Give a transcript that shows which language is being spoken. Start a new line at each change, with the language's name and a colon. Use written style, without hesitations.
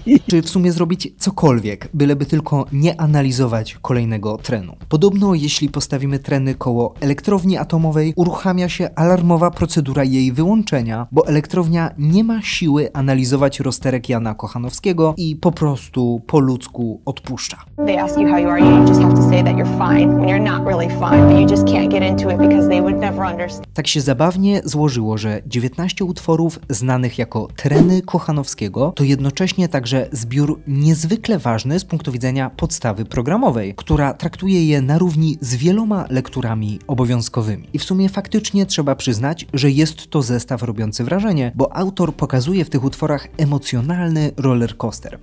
Polish: Czy w sumie zrobić cokolwiek, byleby tylko nie analizować kolejnego trenu. Podobno jeśli postawimy treny koło elektrowni atomowej, uruchamia się alarmowa procedura jej wyłączenia, bo elektrownia nie ma siły analizować rozterek Jana Kochanowskiego i po prostu po ludzku odpuszcza.
English: They ask you how you are, you just have to say that you're fine, when you're not really fine, but you just can't get into it because they would never understand.
Polish: Tak się zabawnie złożyło, że 19 utworów znanych jako treny Kochanowskiego to jednocześnie także zbiór niezwykle ważny z punktu widzenia podstawy programowej, która traktuje je na równi z wieloma lekturami obowiązkowymi. I w sumie faktycznie trzeba przyznać, że jest to zestaw robiący wrażenie, bo autor pokazuje w tych utworach emocjonalny rollercoaster.